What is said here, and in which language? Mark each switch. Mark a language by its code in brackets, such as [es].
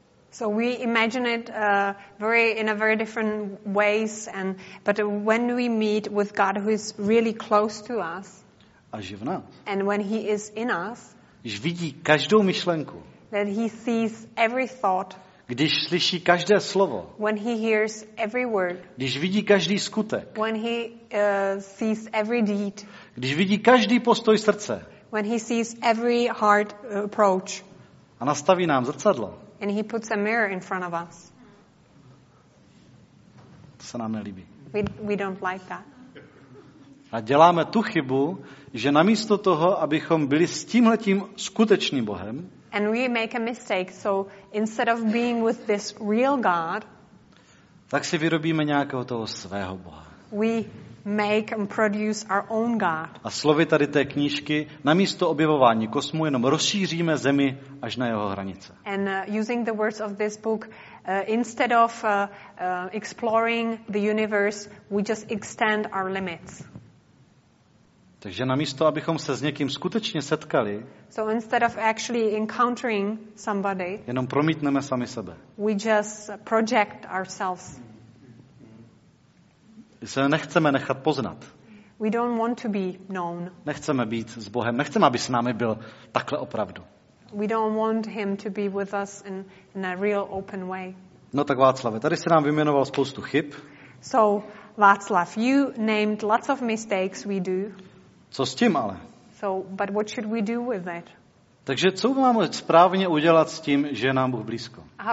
[en] So we imagine it in a very different ways, and but when we meet with God who is really close to us, and when he is in us, [cs] když vidí každou myšlenku, [en] that he sees every thought, [cs] když slyší každé slovo, [en] when he hears every word, [cs] když vidí každý skutek, [en] when he sees every deed, [cs] když vidí každý postoj srdce, [en] when he sees every heart approach, [cs] a nastaví nám zrcadlo. [en] And he puts a mirror in front of us. [cs] To se nám nelíbí. [en] We don't like that. [cs] A děláme tu chybu, že namísto toho, abychom byli s tímhletím skutečným Bohem, [en] and we make a mistake, so instead of being with this real God, [cs] tak si vyrobíme nějakého toho svého Boha. [en] We make and produce our own God. [cs] A slovy tady té knížky namísto objevování kosmu jenom rozšíříme zemi až na jeho hranice. [en] And using the words of this book, instead of exploring the universe, we just extend our limits. [cs] Takže namísto abychom se s někým skutečně setkali, [en] so instead of actually encountering somebody, [cs] jenom promítneme sami sebe. [en] We just project ourselves. [cs] Se nechceme nechat poznat. [en] We don't want to be known. [cs] Nechceme být s Bohem. Nechceme, aby s námi byl takhle opravdu. [en] We don't want him to be with us in a real open way. [cs] No tak Václave, tady se nám vyjmenoval spoustu chyb. [en] So Václav, you named lots of mistakes we do. [cs] Co s tím ale? [en] So but what should we do with it? [cs] Takže co máme správně udělat s tím, že je nám Bůh blízko?